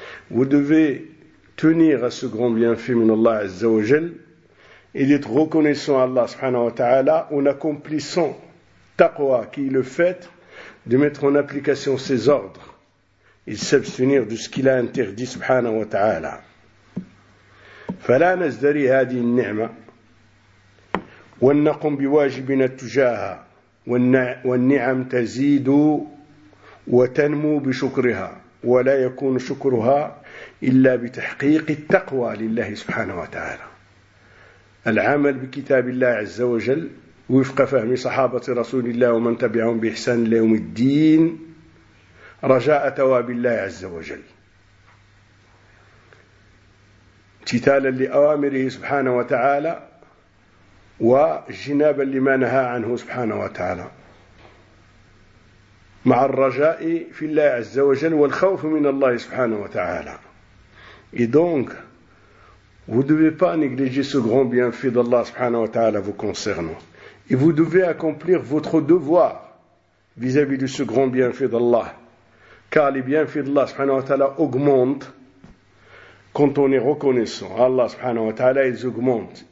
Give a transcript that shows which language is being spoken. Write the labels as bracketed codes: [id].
[fr] Vous devez tenir à ce grand bienfait de Allah Azza wa Jal et d'être reconnaissant à Allah subhanahu wa ta'ala en accomplissant taqwa qui est le fait de mettre en application ses ordres et s'abstenir de ce qu'il a interdit subhanahu wa ta'ala. [ar] فلا نزدري هذه النعمة ونقم بواجبنا تجاهها والنعم تزيد وتنمو بشكرها ولا يكون شكرها إلا بتحقيق التقوى لله سبحانه وتعالى. العمل بكتاب الله عز وجل وفق فهم صحابة رسول الله ومن تبعهم بإحسان ليوم الدين رجاء ثواب الله عز وجل امتثالا لأوامره سبحانه وتعالى وجنابا لما نهى عنه سبحانه وتعالى مع الرجاء في الله عز وجل والخوف من الله سبحانه وتعالى. [fr] Et donc, vous ne devez pas négliger ce grand bienfait d'Allah subhanahu wa ta'ala vous concernant. Et vous devez accomplir votre devoir vis-à-vis de ce grand bienfait d'Allah. Car les bienfaits d'Allah subhanahu wa ta'ala augmentent quand on est reconnaissant à Allah subhanahu wa ta'ala, ils augmentent.